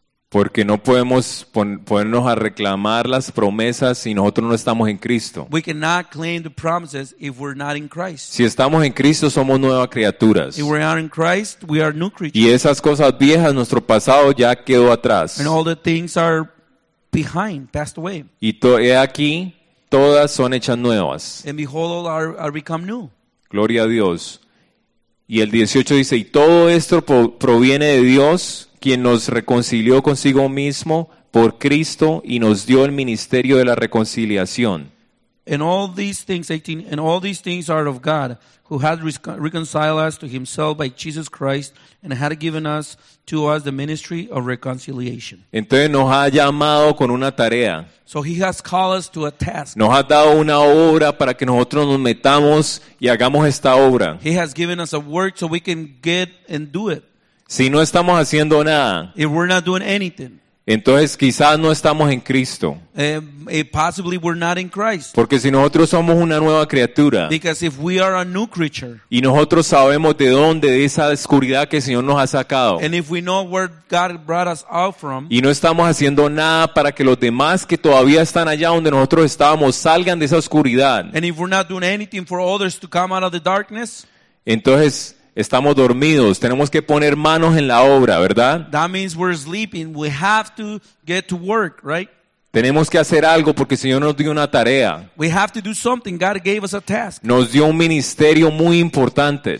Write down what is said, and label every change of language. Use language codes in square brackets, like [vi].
[es] Porque no podemos ponernos a reclamar las promesas si nosotros no estamos en Cristo. [en] We cannot claim the promises if we're not in Christ. [es] Si estamos en Cristo, somos nuevas criaturas. [en] If we are in Christ, we are new creatures. [es] Y esas cosas viejas, nuestro pasado ya quedó atrás. [en] And all the things are behind, passed away. [es] Y todo aquí. Todas son hechas nuevas. [en] And behold, all are become new. [es] Gloria a Dios. Y el 18 dice, y todo esto proviene de Dios, quien nos reconcilió consigo mismo por Cristo y nos dio el ministerio de la reconciliación. [en] And all these things, 18, and all these things are of God, who had reconciled us to himself by Jesus Christ, and had given us to us the ministry of reconciliation. [es] Entonces nos ha llamado con una tarea. [en] So he has called us to a task. [es] Nos ha dado una obra para que nosotros nos metamos y hagamos esta obra. [en] He has given us a work so we can get and do it. [es] Si no estamos haciendo nada. [en] If we're not doing anything. [es] Entonces quizás no estamos en Cristo. [en] Possibly we're not in Christ. [es] Porque si nosotros somos una nueva criatura. [en] Because if we are a new creature. [es] Y nosotros sabemos de dónde, de esa oscuridad que el Señor nos ha sacado. [en] And if we know where God brought us out from. [es] Y no estamos haciendo nada para que los demás que todavía están allá donde nosotros estábamos salgan de esa oscuridad. [en] And if we're not doing anything for others to come out of the darkness. [es] Entonces estamos dormidos, tenemos que poner manos en la obra, ¿verdad? [en] That means we're sleeping. We have to get to work, right? [es] Tenemos que hacer algo porque el Señor nos dio una tarea. [en] We have to do something. God gave us a task. [es] Nos dio un ministerio muy importante.